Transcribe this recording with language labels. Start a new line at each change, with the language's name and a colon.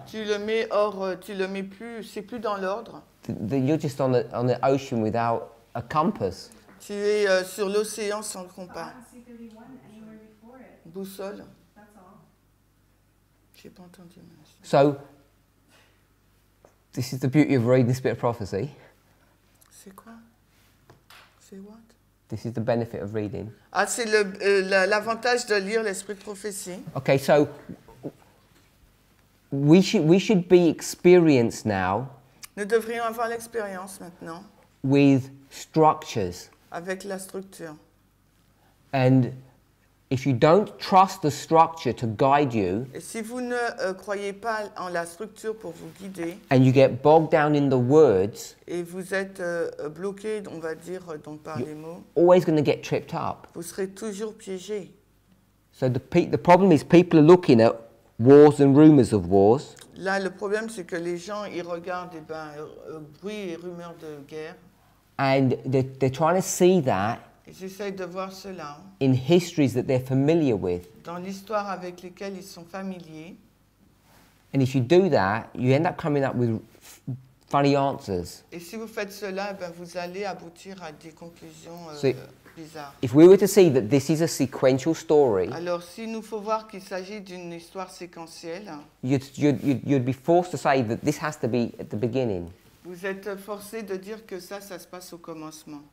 French: Tu le mets hors, tu le mets plus, c'est plus dans l'ordre.
English: Then you're just on the ocean without a compass.
French: Tu es sur l'océan sans le compas. Boussole.
English: That's all.
French: J'ai pas entendu.
English: So, this is the beauty of reading this bit of prophecy.
French: C'est quoi? C'est what?
English: This is the benefit of reading.
French: Ah, c'est le, l'avantage de lire l'esprit de prophétie.
English: Okay, so we should be experienced now.
French: Nous devrions avoir l'expérience maintenant.
English: With structures.
French: Avec la structure.
English: And if you don't trust the structure to guide you,
French: et si vous ne croyez pas en la structure pour vous guider,
English: and you get bogged down in the words,
French: et vous êtes bloqué, on va dire, donc par les mots,
English: you're always going to get tripped up.
French: Vous serez toujours piégé.
English: So the problem is people are looking at wars and rumors of wars.
French: Là, le problème, c'est que les gens ils regardent et ben bruit et rumeurs de guerre,
English: and they're trying to see that.
French: J'essaie de voir cela.
English: In histories that they're familiar with.
French: Dans l'histoire avec lesquelles ils sont familiers.
English: And if you do that, you end up coming up with funny answers.
French: Et si vous faites cela, ben vous allez aboutir à des conclusions bizarres.
English: If we were to see that this is a sequential story.
French: Alors si nous faut voir qu'il s'agit d'une histoire séquentielle.
English: You'd be forced to say that this has to be at the beginning.
French: Vous êtes forcé de dire que ça se passe au commencement.